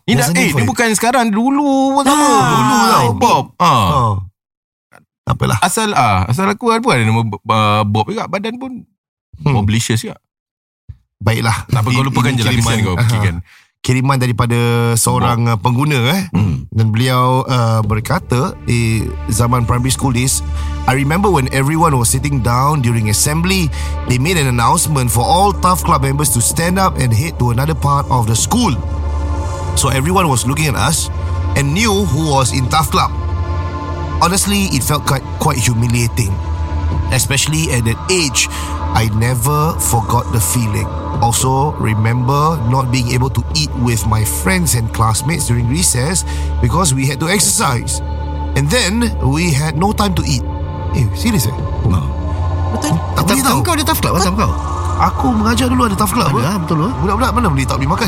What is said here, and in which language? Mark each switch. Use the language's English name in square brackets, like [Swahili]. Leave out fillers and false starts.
[Malay] Ini dah, eh, ni bukan sekarang. Dulu pun sama. Dulu tau. Bob. Apalah. Asal aku pun ada nama Bob juga. Badan pun Boblicious juga. Baiklah. Tak apa, kau lupakan je lah kisah kau. Kan. Kiriman daripada seorang pengguna dan beliau berkata, [English] zaman primary school days, I remember when everyone was sitting down during assembly, they made an announcement for all TAF club members to stand up and head to another part of the school. So everyone was looking at us and knew who was in TAF club. Honestly, it felt quite humiliating, especially at that age. I never forgot the feeling. Also, remember not being able to eat with my friends and classmates during recess because we had to exercise. And then, we had no time to eat. [Malay] Serius eh? Betul. Tak boleh tahu. Kau ada tough club? Aku mengajar dulu ada tough club. Ada, betul. Budak-budak mana boleh tak boleh makan?